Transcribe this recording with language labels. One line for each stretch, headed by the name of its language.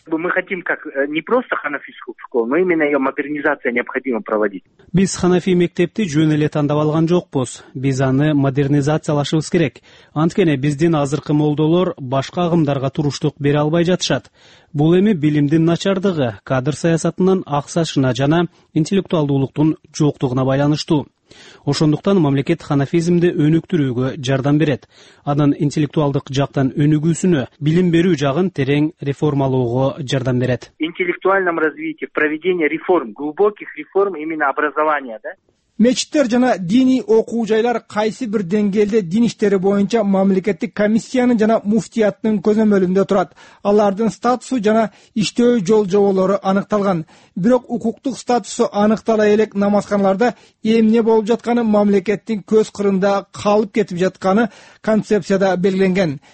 Russian: Мы хотим как не просто ханафистскую школу, но именно ее модернизация необходимо проводить.
Kyrgyz: Биз ханафи мектепти жөн эле тандап алган жокпуз. Биз аны модернизациялашыбыз керек. Анткени биздин азыркы молдолор башка агымдарга туруштук бере албай жатышат. Бул эми билимдин начардыгы, кадр саясатынын аксашына жана интеллектуалдуулуктун жоктугуна байланыштуу. Ошондуктан мамлекет ханафизмди өнүктүрүүгө жардам берет. Анын интеллектуалдык жактан өнүгүүсүнө, билим берүү жагын терең реформалоого жардам берет.
Russian: Интеллектуальном развитии, проведении реформ, глубоких реформ именно образования, да?
Kyrgyz: Мечиттер жана диний окуу жайлар кайсы бир деңгээлде дин иштери боюнча мамлекеттик комиссиянын жана муфтияттын көзөмөлүндө турат. Алардын статусу жана иштөө жол-жоболору аныкталган. Бирок укуктук статусу аныктала элек намазканаларда эмне болуп жатканы мамлекеттин көз кырында калып кетип жатканы концепцияда белгиленген.